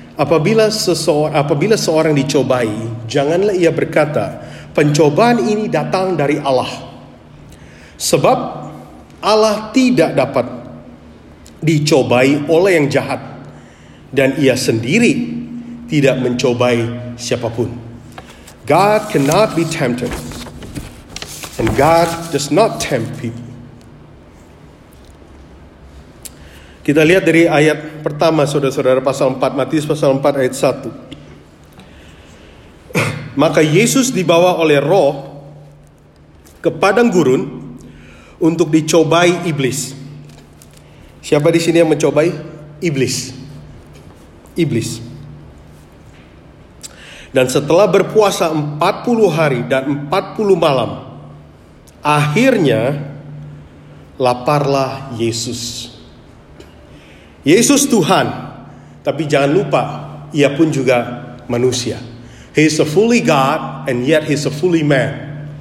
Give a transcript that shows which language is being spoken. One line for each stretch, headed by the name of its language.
Indonesian: Apabila seorang dicobai, janganlah ia berkata, pencobaan ini datang dari Allah. Sebab Allah tidak dapat dicobai oleh yang jahat, dan ia sendiri tidak mencobai siapapun.
English: God cannot be tempted, and God does not tempt people.
Indonesian: Kita lihat dari ayat pertama, saudara-saudara, pasal 4, Matius pasal 4 ayat 1. Maka Yesus dibawa oleh Roh ke padang gurun untuk dicobai iblis. Siapa di sini yang mencobai? Iblis. Iblis. Dan setelah berpuasa 40 hari dan 40 malam, akhirnya laparlah Yesus. Yesus Tuhan, tapi jangan lupa, ia pun juga manusia.
English: He is a fully God and yet he is a fully man.